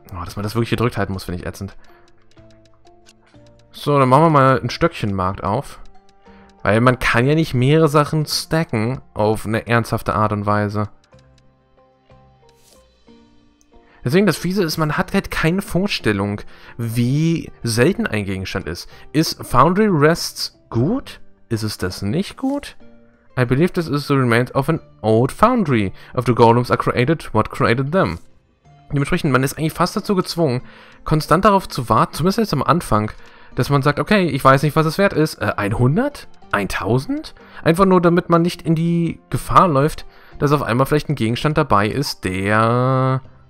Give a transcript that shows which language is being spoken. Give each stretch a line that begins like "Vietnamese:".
German: Oh, dass man das wirklich gedrückt halten muss, finde ich ätzend. So, dann machen wir mal ein Stöckchenmarkt auf. Weil man kann ja nicht mehrere Sachen stacken auf eine ernsthafte Art und Weise. Deswegen, das Fiese ist, man hat halt keine Vorstellung, wie selten ein Gegenstand ist. Ist Foundry Rests gut? Ist es das nicht gut?
English: I believe this is the remains of an old foundry. If the golems are created, what created them?
German: Dementsprechend, man ist eigentlich fast dazu gezwungen, konstant darauf zu warten, zumindest jetzt am Anfang, dass man sagt, okay, ich weiß nicht, was es wert ist. 100? 1000? Einfach nur, damit man nicht in die Gefahr läuft, dass auf einmal vielleicht ein Gegenstand dabei ist, der...